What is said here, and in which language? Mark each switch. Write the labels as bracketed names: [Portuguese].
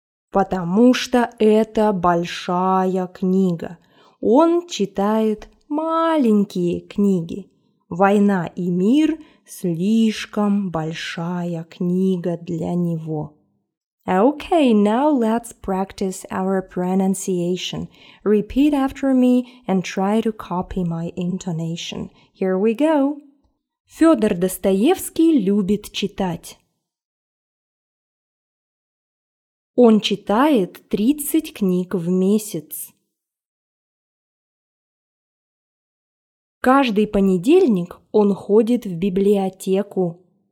[Russian] Потому что это большая книга. Он читает маленькие книги. «Война и мир» – слишком большая книга для него. [English] Okay, now let's practice our pronunciation. Repeat after me and try to copy my intonation. Here we go. [Russian] Фёдор Достоевский любит читать. Он читает 30 книг в месяц. Каждый понедельник он ходит в библиотеку.